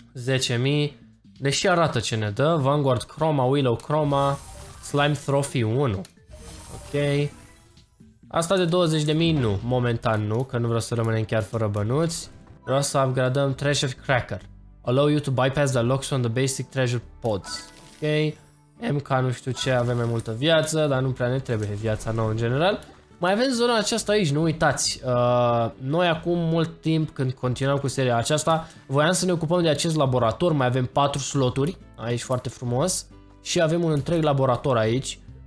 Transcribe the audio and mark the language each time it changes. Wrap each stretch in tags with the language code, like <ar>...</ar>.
<ro>10.000. Deși arată ce ne dă. Vanguard Chroma, Willow Chroma, Slime Trophy 1. Ok. Asta de 20.000 nu, momentan nu, că nu vreau să rămânem chiar fără bănuți. Vreau să upgradăm Treasure Cracker.</ro> <en>Allow you to bypass the locks on the basic treasure pods.</en> <ro>Ok. MK nu știu ce, avem mai multă viață, dar nu prea ne trebuie viața nouă în general. Mai avem zona aceasta aici, nu uitați. Noi acum mult timp, când continuăm cu seria aceasta, voiam să ne ocupăm de acest laborator. Mai avem 4 sloturi aici, foarte frumos. Și avem un întreg laborator aici.</ro>